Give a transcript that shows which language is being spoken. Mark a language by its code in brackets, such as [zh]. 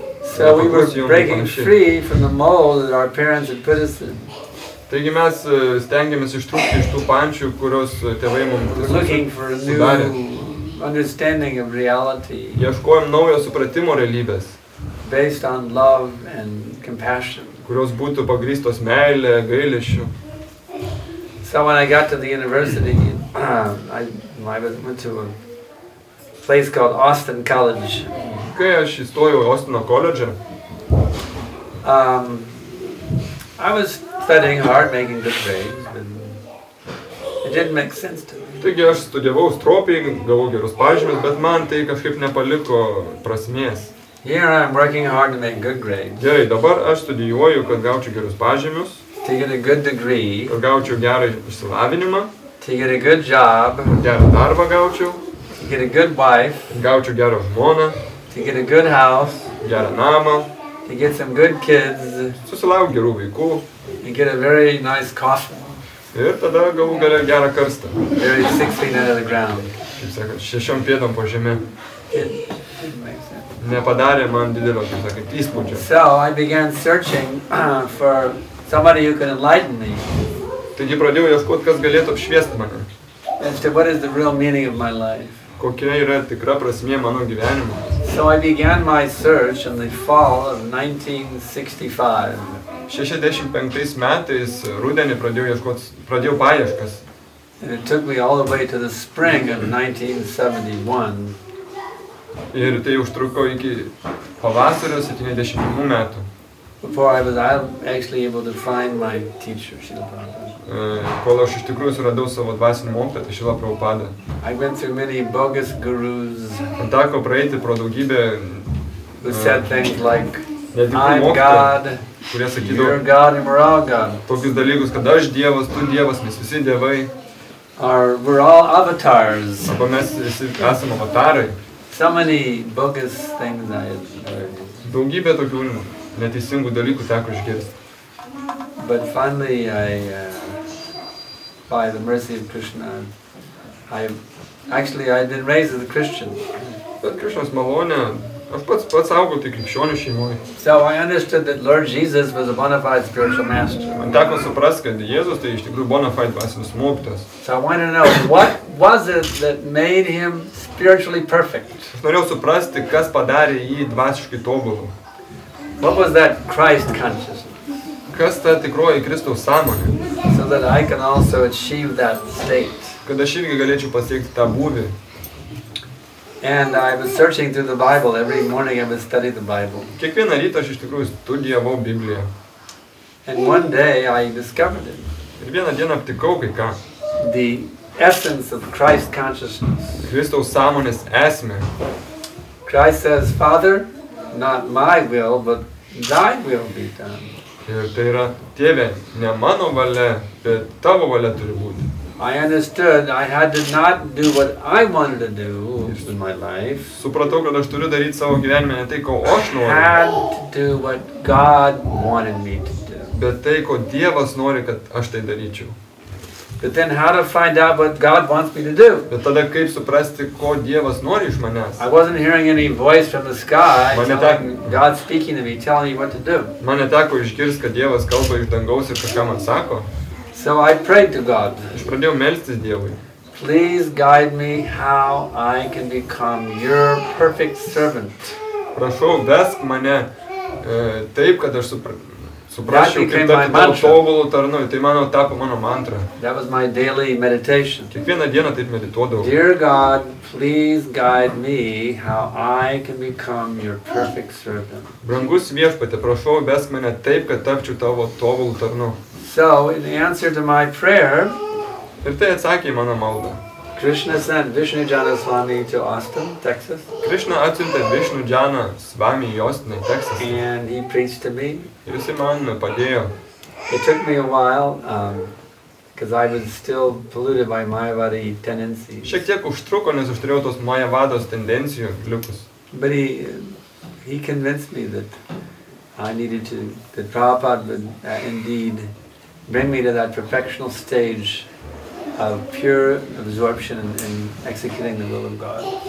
[en] So we were breaking free from the mold that our parents had put us in. [lt] Taigi mes stengiamės ištrūkti iš tų pančių, kurios tėvai mums sudarė. [en] Looking for a new understanding of reality. [lt] Ieškojom naujo supratimo realybės. [en] Based on love and compassion. [lt] Kurios būtų pagrįstos meilė, gailesčiu. [en] So when I got to the university, I went to a place called Austin College. [lt] Kai aš įstojau į Austino koledžą. [en] I was studying hard, making good grades, but it didn't make sense to me. [lt] Taigi aš studijavau stropiai, gavau gerus pažymius, bet man tai kažkaip nepaliko prasmės. [en] Here I'm working hard to make good grades. [lt] Gerai, dabar aš studijuoju, kad gaučiau gerus pažymius. [en] To get a good degree. [lt] Kad gaučiau gerą išsilavinimą. [en] To get a good job. [lt] Gerą darbą gaučiau. [en] To get a good wife. [lt] Gaučiau gerą žmoną. [en] To get a good house. [lt] Gerą namą. [en] To get some good kids. [lt] Susilauk gerų vaikų. [en] And get a very nice coffin. [lt] Ir tada gavau gerą karstą. [en] Very 6 feet under the ground. [lt] Kaip sakant, 6 pėdom po žemė. [en] It didn't make sense. [lt] Nepadarė man didelio, kaip sakant, įspūdžio. [en] So I began searching for somebody who could enlighten me. [lt] Taigi pradėjau ieškot, kas galėtų apšviesti mane. [en] As to what is the real meaning of my life. [lt] Kokia yra tikra prasmė mano gyvenimo. [en] So I began my search in the fall of 1965. [lt] 65 metais rudenį pradėjau paieškas. [en] And it took me all the way to the spring of 1971. [lt] Ir tai užtruko iki pavasario 70 metų. [en] Before I was actually able to find my teacher, Srila Prabhupada. [lt] Kol aš iš tikrųjų suradau savo dvasinį mokytoją, Srila Prabhupada. [en] I went through many bogus gurus. [lt] Teko praeiti pro daugybę. [en] Who said things like, I'm God, [lt] kurie sakydavo, [en] you're God and we're all God. [lt] Tokius dalykus, kad aš Dievas, tu Dievas, mes visi Dievai. [en] Or we're all avatars. [lt] Arba mes visi esam avatarai. [en] So many bogus things I had. [lt] Daugybė tokių neteisingų dalykų teko išgirsti. [en] But finally I by the mercy of Krishna I've been raised as a Christian. [lt] Bet Krishnos malonė, aš pats augau tik krikščionių šeimoje. [en] So I understood that Lord Jesus was a bona fide spiritual master. [lt] Man teko suprast, kad Jėzus tai iš tikrųjų bona fide dvasinis mokytas. [en] So I wanted to know what was it that made him spiritually perfect. [lt] Norėjau suprasti, kas padarė jį dvasiškai tobulu. [en] What was that Christ consciousness? [lt] Kas ta tikroji Kristaus sąmonė? [en] So that I can also achieve that state. [lt] Kad aš irgi galėčiau pasiekti tą būvį. [en] And I was searching through the Bible every morning. I would study the Bible. [lt] Kiekvieną rytą aš iš tikrųjų studijavau Bibliją. [en] And one day I discovered it. [lt] Ir vieną dieną aptikau kai ką. [en] The essence of Christ consciousness. [lt] Kristaus sąmonės esmė. [en] Christ says, Father, not my will, but thy will be done. [lt] Ir tai yra, Tėve, ne mano valia, bet tavo valia turi būti. [en] I understood I had to not do what I wanted to do in my life. [lt] Supratau, kad aš turiu daryti savo gyvenime ne tai, ko aš noriu. [en] Had to do what God wanted me to do. [lt] Bet tai, ko Dievas nori, kad aš tai daryčiau. [en] But then how to find out what God wants me to do? [lt] Bet tada kaip suprasti, ko Dievas nori iš manęs? [en] I wasn't hearing any voice from the sky. God speaking to me, telling me what to do. [lt] Man neteko išgirsti, kad Dievas kalba iš dangaus ir kažką man sako. [en] So I prayed to God. [lt] Aš pradėjau melstis Dievui. [en] Please guide me how I can become your perfect servant. [lt] Prašau, vesk mane taip, kad aš suprasčiau, kaip tapti tavo tobulų tarnu. Tai mano tapo mano mantra. [en] That was my daily meditation. [lt] Kiekvieną dieną taip medituodavau. [en] Dear God, please guide me how I can become your perfect servant. [lt] Brangus Viešpatie, prašau, vesk mane taip, kad tapčiau tavo tobulų tarnu. [en] So, in answer to my prayer, [lt] ir tai atsakė į mano maldą. [en] Krishna sent Vishnu Jana Swami to Austin, Texas. [lt] Krishna atsiuntė Vishnu Jana Swami į Austiną, Texas. [en] And he preached to me. [lt] Jis man padėjo. [en] It took me a while, because I was still polluted by Mayavadi tendencies. [lt] Šiek tiek užtruko, nes aš turėjau tos Mayavados tendencijų likus. [en] But he convinced me that I needed to, that Prabhupada would indeed bring me to that perfectional stage of pure absorption in executing the will of God.